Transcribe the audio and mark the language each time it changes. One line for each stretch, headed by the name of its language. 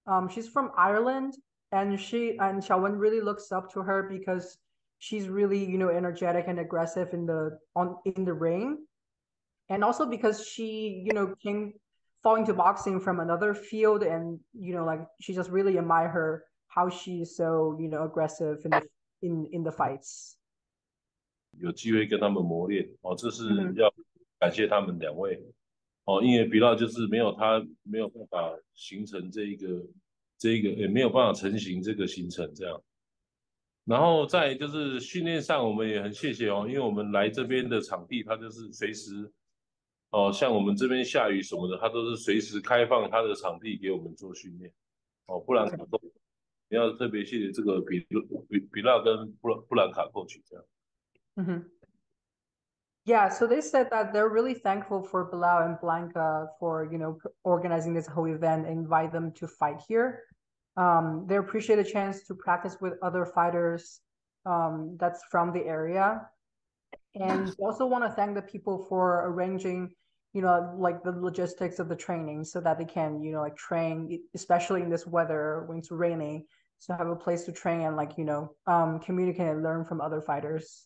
English: She's from Ireland, and she and Hsiao-wen really looks up to her because she's really, you know, energetic and aggressive in the ring, and also because she, you know, came falling to boxing from another field, and you know, like she just really admire her how she's so, you know, aggressive in the fights.
Chinese: 有机会跟他们磨练哦，这是要感谢他们两位。哦，因为比较就是没有他没有办法形成这一个也没有办法成型这个行程这样，然后再就是训练上我们也很谢谢哦，因为我们来这边的场地他就是随时哦，像我们这边下雨什么的他都是随时开放他的场地给我们做训练哦，布兰卡都你要特别谢谢这个比拉跟布兰卡过去这样。嗯哼。
English: Yeah, so they said that they're really thankful for Bilal and Blanca for, you know, organizing this whole event and invite them to fight here. They appreciate a chance to practice with other fighters that's from the area. And they also want to thank the people for arranging, you know, like the logistics of the training so that they can, you know, like train, especially in this weather when it's raining, so have a place to train and like, you know, communicate and learn from other fighters.